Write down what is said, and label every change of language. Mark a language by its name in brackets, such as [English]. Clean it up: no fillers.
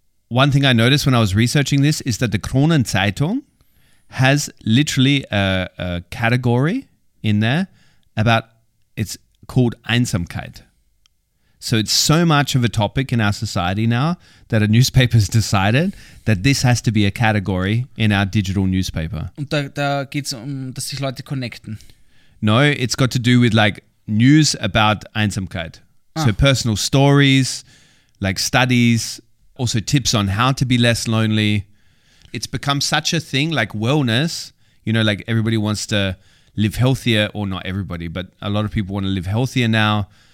[English] one thing I noticed when I was researching this is that the Kronenzeitung has literally a category in there about, it's called Einsamkeit. So it's so much of a topic in our society now that a newspaper has decided that this has to be a category in our digital newspaper. [German] Und da geht's dass sich Leute connecten. [English] No, it's got to do with like news about Einsamkeit. Ah. So personal stories, like studies, also tips on how to be less lonely. It's become such a thing, like wellness, you know, like everybody wants to live healthier, or not everybody, but a lot of people want to live healthier now.